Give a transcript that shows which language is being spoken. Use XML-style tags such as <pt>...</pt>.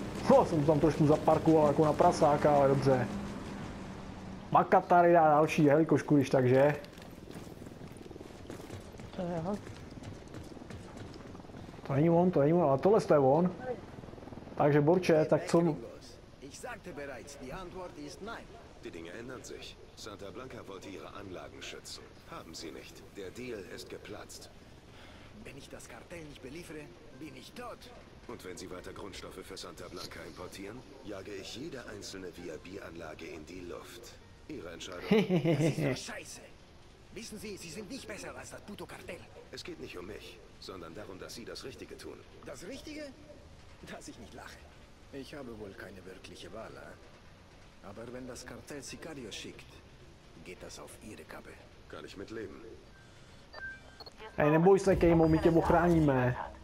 <cs>No, jsem tam trošku zaparkoval jako na prasáka, ale dobře. Makatary dá další helikošku, když takže. To je ho. To není on, to není on, ale tohle je on. Takže borče, tak co?</cs> <de>Ich sagte bereits, die Antwort ist nein. Die Dinge ändern sich. Santa Blanca wollte ihre Anlagen schützen. Haben sie nicht. Der Deal ist geplatzt. Wenn ich das Kartell nicht beliefere, bin ich tot. Und wenn sie weiter Grundstoffe für Santa Blanca importieren, jage ich jede einzelne VIP-Anlage in die Luft. Ihre Entscheidung. Das ist scheiße. Wissen Sie, Sie sind nicht besser als das Puto-Kartell. Es geht nicht um mich, sondern darum, dass Sie das Richtige tun. Das Richtige? Dass ich nicht lache. Ich habe wohl keine wirkliche Wahl, eh? Aber wenn das Kartell Sicario schickt, geht das auf Ihre Kappe. Kann ich mitleben.</de> <cs>Ey, neboj se, Kejmo, my tě ochráníme.</cs>